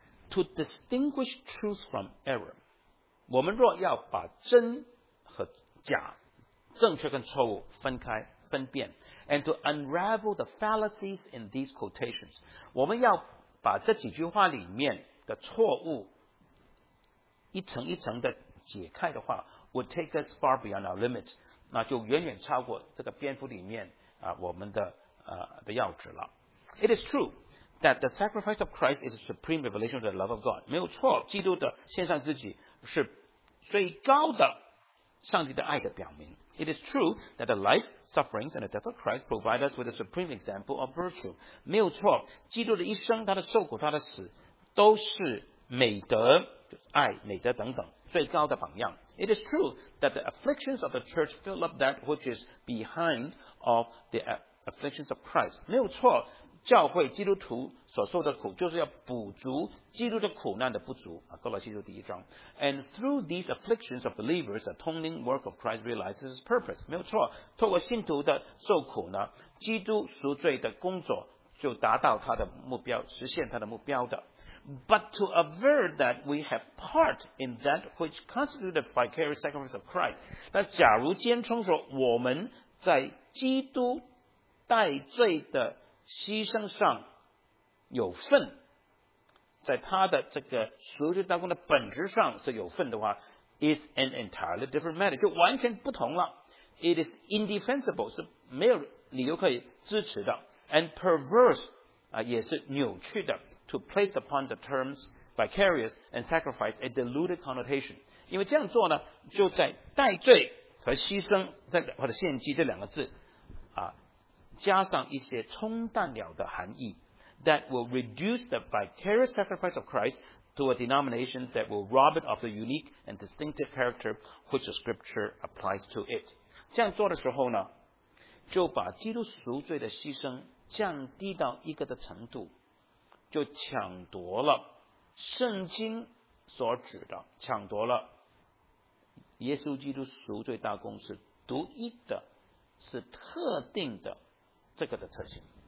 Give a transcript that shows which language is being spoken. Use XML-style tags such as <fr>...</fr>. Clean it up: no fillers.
<en>To distinguish truth from error,</en> <zh>我们若要把真和假正确跟错误分开分辨，</zh> <en>and to unravel the fallacies in these quotations,</en> <zh>我们要把这几句话里面的错误一层一层的解开的话，</zh> <en>would take us far beyond our limits,</en> <zh>那就远远超过这个蝙蝠里面我们的要旨了。</zh> <en>It is true that the sacrifice of Christ is a supreme revelation of the love of God,</en> <zh>没有错，基督的献上自己是最高的上帝的爱的表明。</zh> <en>It is true that the life, sufferings and the death of Christ provide us with a supreme example of virtue.</en> <zh>没有错，基督的一生他的受苦他的死都是美德，爱美德等等最高的榜样。</zh> <en>It is true that the afflictions of the church fill up that which is behind of the afflictions of Christ.</en> <zh>没有错，教会基督徒所受的苦就是要补足基督的苦难的不足，哥罗西书第一章。</zh> <en>And through these afflictions of believers, the atoning work of Christ realizes his purpose.</en> <zh>没有错，透过信徒的受苦呢，基督赎罪的工作就达到他的目标，实现他的目标的。</zh> <en>But to aver that we have part in that which constitutes the vicarious sacrifice of Christ,</en> <zh>那假如坚称说我们在基督代罪的牺牲上有份，在他的这个赎罪大功的本质上是有份的话，</zh> <en>is an entirely different matter,</en> <zh>就完全不同了。</zh> <en>It is indefensible,</en> <zh>是没有理由可以支持的。</zh> <en>and perverse</en> <zh>也是扭曲的</zh> <en>to place upon the terms vicarious and sacrifice a diluted connotation.</en> <zh>因为这样做呢，就在代罪和牺牲这或者献祭这两个字加上一些冲淡了的含义</zh> <en>that will reduce the vicarious sacrifice of Christ to a denomination that will rob it of the unique and distinctive character which the scripture applies to it.</en> <zh>这样做的时候呢，就把基督赎罪的牺牲降低到一个的程度，就抢夺了圣经所指的，抢夺了耶稣基督赎罪大功是独一的，是特定的这个的特性。</zh>